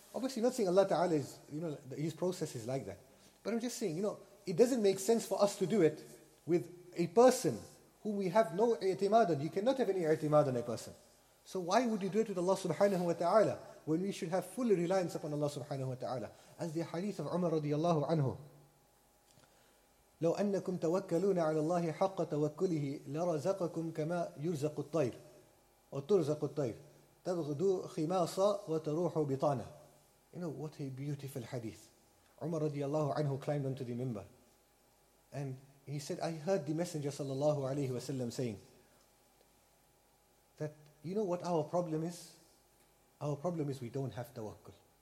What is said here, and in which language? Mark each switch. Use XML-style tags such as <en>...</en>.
<en>Obviously, not saying Allah Ta'ala is, you know, his process is like that. But I'm just saying, you know, it doesn't make sense for us to do it with a person whom we have no i'timad on. You cannot have any i'timad on a person. So why would you do it with Allah subhanahu wa ta'ala when we should have full reliance upon Allah subhanahu wa ta'ala? As the hadith of Umar radiallahu anhu,</en> <ar>لو أنكم توكلون على الله حق توكله لرزقكم كما يرزق الطير أو ترزق الطير تغدو خماصة وتروح بطانة.</ar> <en>You know what a beautiful hadith. Umar radiallahu anhu climbed onto the minbar and he said, I heard the Messenger sallallahu alayhi wa sallam saying that, you know what our problem is? Our problem is we don't have tawakkul.</en>